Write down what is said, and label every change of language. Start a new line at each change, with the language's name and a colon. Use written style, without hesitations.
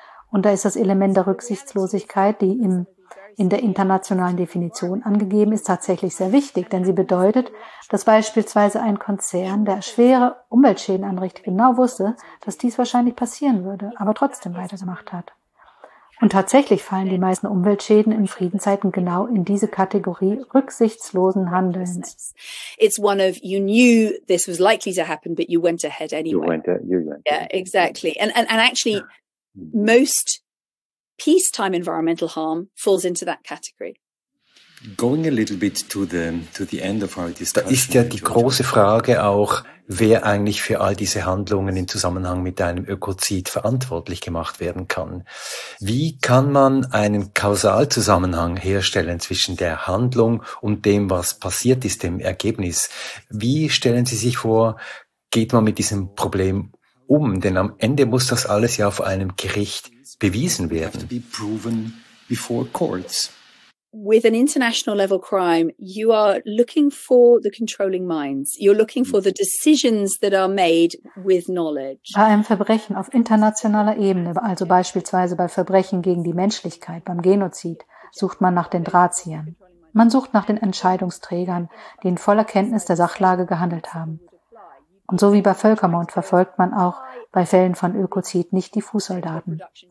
German: Und da ist das Element der Rücksichtslosigkeit, die in der internationalen Definition angegeben ist, tatsächlich sehr wichtig, denn sie bedeutet, dass beispielsweise ein Konzern, der schwere Umweltschäden anrichtet, genau wusste, dass dies wahrscheinlich passieren würde, aber trotzdem weitergemacht hat. Und tatsächlich fallen die meisten Umweltschäden in Friedenszeiten genau in diese Kategorie rücksichtslosen Handelns.
English: It's one of, you knew this was likely to happen, but you went ahead anyway. You went. Yeah, exactly. And actually, most peacetime environmental harm falls into that category. Going a little bit to the end of our discussion.
German: Da ist ja die große Frage auch, wer eigentlich für all diese Handlungen im Zusammenhang mit einem Ökozid verantwortlich gemacht werden kann. Wie kann man einen Kausalzusammenhang herstellen zwischen der Handlung und dem, was passiert ist, dem Ergebnis? Wie stellen Sie sich vor, geht man mit diesem Problem um? Denn am Ende muss das alles ja auf einem Gericht bewiesen werden.
English: Have to be proven before courts. With an international level crime, you are looking for the controlling minds. You're looking for the decisions that are made with knowledge.
German: Bei einem Verbrechen auf internationaler Ebene, also beispielsweise bei Verbrechen gegen die Menschlichkeit, beim Genozid, sucht man nach den Drahtziehern. Man sucht nach den Entscheidungsträgern, die in voller Kenntnis der Sachlage gehandelt haben. Und so wie bei Völkermord verfolgt man auch bei Fällen von Ökozid nicht die Fußsoldaten.